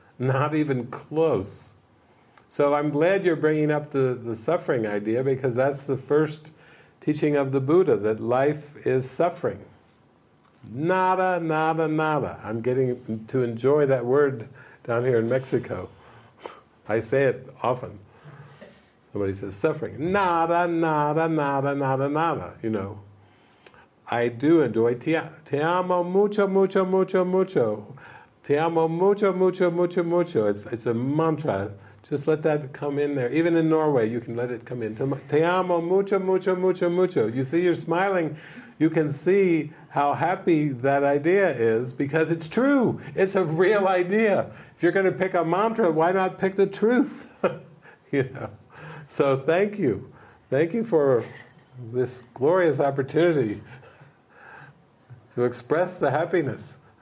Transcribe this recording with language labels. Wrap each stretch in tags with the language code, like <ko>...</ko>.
<en>Not even close. So I'm glad you're bringing up the suffering idea, because that's the first teaching of the Buddha, that life is suffering.</en> <es>Nada, nada, nada.</es> <en>I'm getting to enjoy that word down here in Mexico. I say it often. Somebody says, suffering.</en> <es>Nada, nada, nada, nada, nada.</es> <en>You know, I do enjoy.</en> <es>Te amo mucho, mucho, mucho, mucho. Te amo mucho, mucho, mucho, mucho.</es> <en>It's a mantra. Just let that come in there. Even in Norway, you can let it come in.</en> <es>Te amo mucho, mucho, mucho, mucho.</es> <en>You see, you're smiling. You can see how happy that idea is, because it's true. It's a real idea. If you're going to pick a mantra, why not pick the truth? You know. So thank you. Thank you for this glorious opportunity to express the happiness.</en>